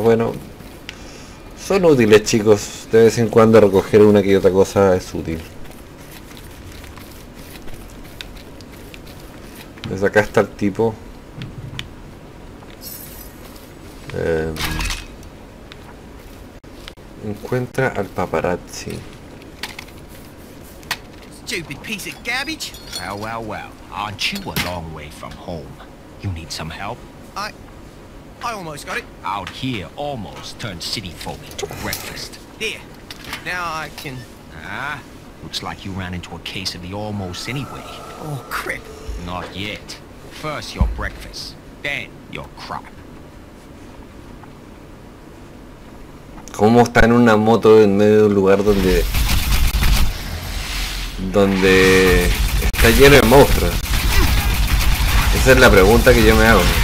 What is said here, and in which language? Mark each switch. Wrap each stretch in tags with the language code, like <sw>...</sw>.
<es>Bueno, son útiles, chicos. De vez en cuando recoger una que otra cosa es útil. Desde acá está el tipo. Encuentra al paparazzi.</es> <en>Stupid piece of garbage. Well, well, well. Aren't you a long way from home? You need some help? I almost got it. Out here, almost turned city folk into breakfast. Here. Now I can... Ah, looks like you ran into a case of the almost anyway. Oh, crap. Not yet. First your breakfast, then your crap.</en> <es>¿Cómo está en una moto en medio de un lugar donde... donde está lleno de monstruos? Esa es la pregunta que yo me hago.</es>